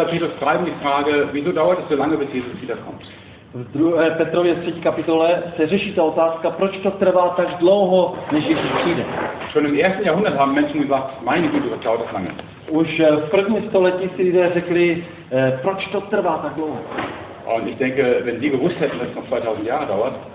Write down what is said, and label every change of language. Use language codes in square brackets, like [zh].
[de] Petrus 3 um die Frage, wieso dauert es so lange, bis Jesus wiederkommt? [cs] V 2. Petrově 3. kapitole se řeší ta otázka, proč to trvá tak dlouho, než Ježíš přijde. [de] Schon im ersten Jahrhundert haben Menschen gesagt, meine Güte, das dauert lange. [cs] Už v prvním století si lidé řekli, proč to trvá tak dlouho. [de] Und ich denke, wenn sie gewusst hätten, dass es noch 2000 Jahre dauert,